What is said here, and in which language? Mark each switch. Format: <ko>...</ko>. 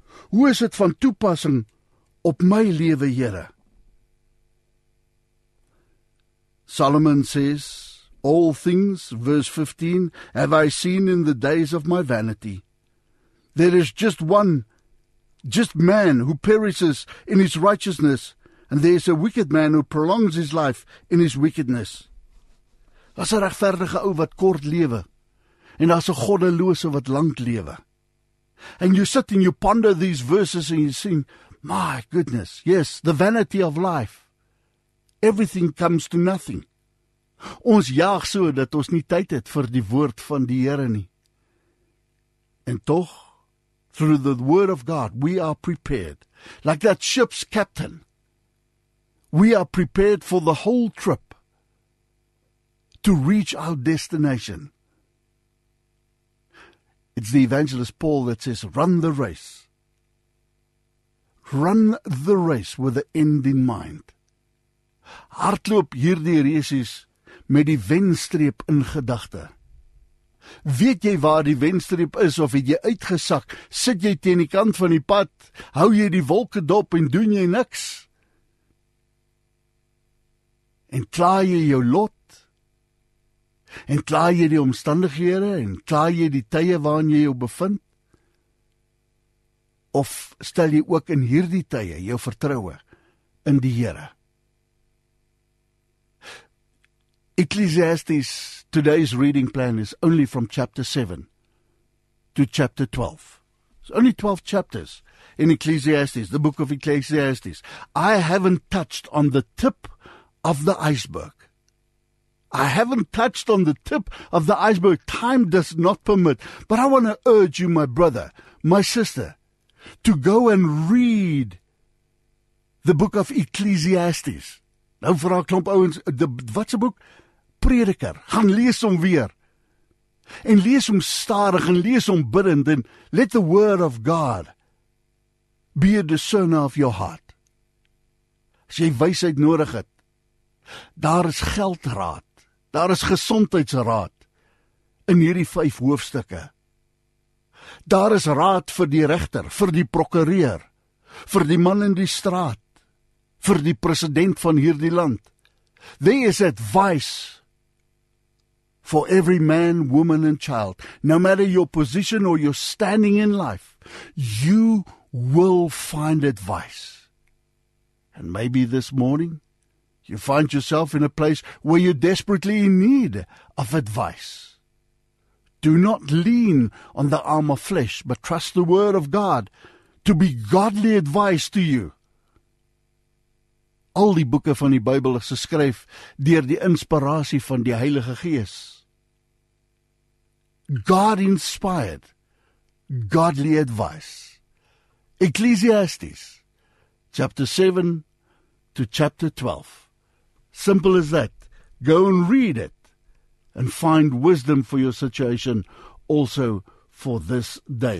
<af>Hoe is het van toepassing op my lewe, Here?</af> <en>Solomon says, all things, verse 15, have I seen in the days of my vanity. There is just one, just man who perishes in his righteousness, and there is a wicked man who prolongs his life in his wickedness.</en> <af>Daar's 'n regverdige ou wat kort lewe, en daar's 'n goddelose wat lank lewe.</af> <en>And you sit and you ponder these verses and you sing, my goodness, yes, the vanity of life. Everything comes to nothing.</en> <af>Ons jaag so dat ons nie tyd het vir die woord van die Here nie. En toch,</af> <en>through the word of God, we are prepared. Like that ship's captain, we are prepared for the whole trip to reach our destination. It's the evangelist Paul that says, run the race. Run the race with the end in mind.</en> <af>Hardloop hierdie reisies met die wenstreep in gedagte. Weet jy waar die wenstreep is of het jy uitgesak? Sit jy teen die kant van die pad? Hou jy die wolke dop en doen jy niks? En klaar jy jou lot? En klaar jy die omstandighede en klaar jy die tye waarin jy jou bevind? Of stel jy ook in hierdie tye jou vertroue in die Here?</af> <en>Ecclesiastes, today's reading plan is only from chapter 7 to chapter 12. It's only 12 chapters in Ecclesiastes, the book of Ecclesiastes. I haven't touched on the tip of the iceberg. I haven't touched on the tip of the iceberg. Time does not permit. But I want to urge you, my brother, my sister, to go and read the book of Ecclesiastes.</en> <af>Nou vir haar klomp ouens, wat se boek? Prediker. Gaan lees hom weer. En lees hom stadig en lees hom bidend.</af> <en>En let the word of God be a discerner of your heart.</en> <af>As jy wysheid nodig het, daar is geldraad. Daar is gesondheidsraad in hierdie 5 hoofstukke. Daar is raad vir die regter, vir die prokureur, vir die man in die straat, vir die president van hierdie land.</af> <en>There is advice for every man, woman and child. No matter your position or your standing in life, you will find advice. And maybe this morning, you find yourself in a place where you're desperately in need of advice. Do not lean on the arm of flesh, but trust the word of God to be godly advice to you.</en> <af>Al die boeke van die Bybel is geskryf deur die inspirasie van die Heilige Gees.</af> <en>God inspired, godly advice. Ecclesiastes, chapter 7 to chapter 12. Simple as that. Go and read it. And find wisdom for your situation also for this day.</en>